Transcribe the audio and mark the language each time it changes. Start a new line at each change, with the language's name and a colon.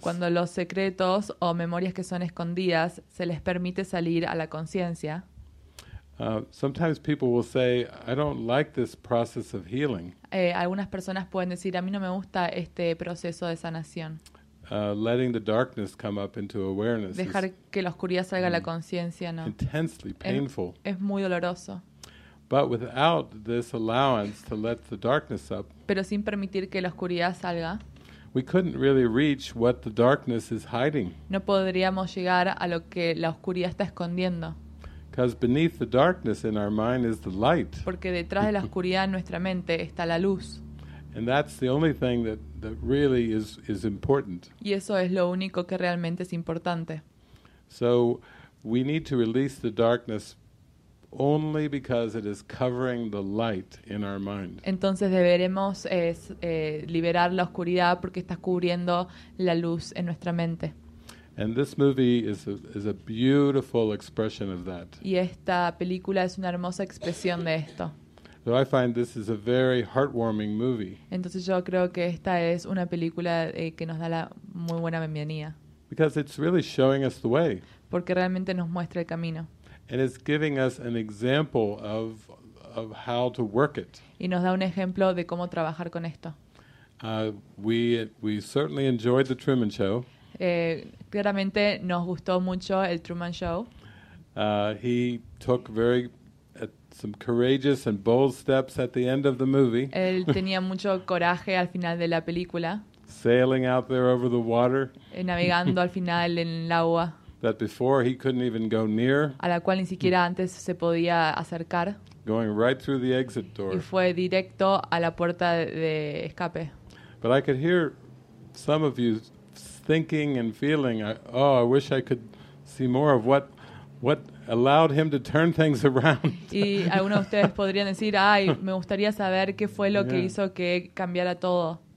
Spanish: Cuando los secretos o memorias que son escondidas se les permite salir a la conciencia.
English: Sometimes people will say, "I don't like this process of healing."
Spanish: Algunas personas pueden decir, "A mí no me gusta este proceso de sanación."
English: Letting the darkness come up into awareness.
Spanish: Dejar que la oscuridad salga a la conciencia, no.
English: Intensely painful.
Spanish: Es muy doloroso.
English: But without this allowance to let the darkness up.
Spanish: Pero sin permitir que la oscuridad salga.
English: We couldn't really reach what the darkness is hiding.
Spanish: No podríamos llegar a lo que la oscuridad está escondiendo.
English: Because beneath the darkness in our mind is the light.
Spanish: Porque detrás de la oscuridad en nuestra mente está la luz.
English: And that's the only thing that really is important.
Spanish: Y eso es lo único que realmente es importante.
English: So we need to release the darkness only because it is covering the light in our mind.
Spanish: Entonces deberemos liberar la oscuridad porque está cubriendo la luz en nuestra mente.
English: And this movie is a beautiful expression of that.
Spanish: Y esta película es una hermosa expresión de esto.
English: So I find this is a very heartwarming movie.
Spanish: Entonces yo creo que esta es una película que nos da la muy buena bienvenida.
English: Because it's really showing us the way.
Spanish: Porque realmente nos muestra el camino.
English: And it's giving us an example of how to work it.
Spanish: Y nos da un ejemplo de cómo trabajar con esto.
English: We certainly enjoyed the Truman Show.
Spanish: Claramente nos gustó mucho el Truman Show.
English: He took some courageous and bold steps at the end of the movie.
Spanish: Él tenía mucho coraje al final de la película.
English: Sailing out there over the water.
Spanish: Navegando al final en el agua.
English: That before he couldn't even go near.
Spanish: A la cual ni siquiera antes se podía acercar.
English: Going right through the exit door.
Spanish: Y fue directo a la puerta de escape.
English: But I could hear some of you thinking and feeling, "Oh, I wish I could see more of what allowed him to turn things around."
Spanish: Y algunos de ustedes podrían decir, "Ay, me gustaría saber qué fue lo que hizo que cambiara todo."